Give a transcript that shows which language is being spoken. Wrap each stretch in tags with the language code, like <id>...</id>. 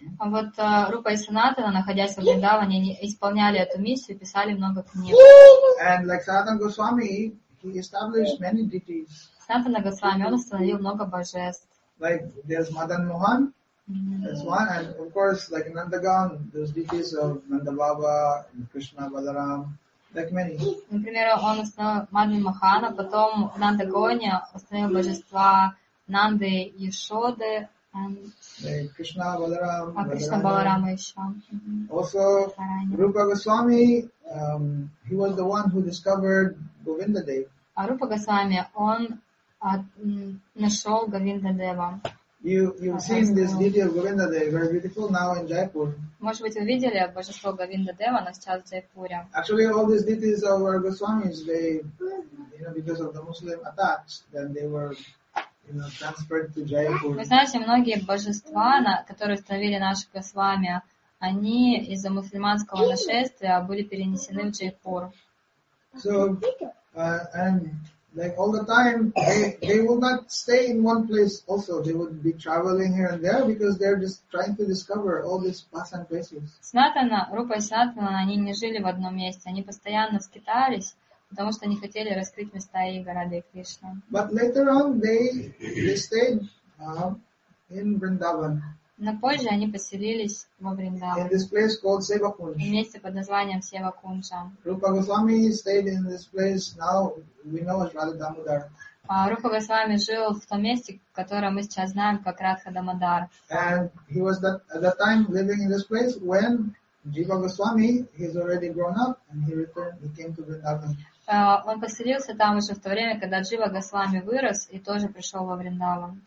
<ru>А вот Рупа и Санатана, находясь в Вриндаване, они исполняли эту миссию, писали много книг.</ru> <en>And like Sanatana Goswami, he established many deities.</en> <ru>Санатана Госвами, он установил много божеств.</ru> <en>Like there's Madan Mohan, that's one, and of course, like in Nandagaon, there's deities of Nandababa, Krishna, Balaram.</en> <ru>Например, он установил Мадан Махана, потом в Нандагоне установил божества Нанды и Яшоды, Кришна, Баларам, а Кришна Баларама еще.</ru> <en>Also, Rupa Goswami, he was the one who discovered Govinda Dev.</en> <ru>А Рупа Госвами, он нашел Говинда Дева.</ru> <en>You've seen this deity of Govinda Dev, very beautiful now in Jaipur.</en> <ru>Может быть, вы видели божество Говинда Дева, оно сейчас в Джайпуре.</ru> <en>Actually, all these deities of our Goswamis, they, you know, because of the Muslim attacks, then they were, you know, transferred to Jaipur.</en> <ru>Вы знаете, многие божества, которые установили наши Госвами, они из-за мусульманского нашествия были перенесены в Джайпур.</ru> <en>So, and like all the time, they will not stay in one place also. They would be traveling here and there because they're just trying to discover all these pasan places.</en> <ru>Санатана, Рупа и Санатана, они не жили в одном месте. Они постоянно скитались, потому что они хотели раскрыть места и города Кришны.</ru> <en>But later on, they stayed in Vrindavan.</en> <ru>Но позже они поселились во Вриндаван.</ru> <en>In this place called Sevakunj.</en> <ru>В месте под названием Севакунджа.</ru> <en>Rupa Goswami stayed in this place. Now we know as Radha Damodar.</en> <ru>Rupa Goswami жил в том месте, которое мы сейчас знаем как Радха Дамодар.</ru> <en>And he was at that time living in this place when Jiva Goswami, he's already grown up and he returned. He came to Vrindavan.</en> <ru>Он поселился там уже в то время, когда Джива Госвами вырос и тоже пришел во Вриндаван.</ru>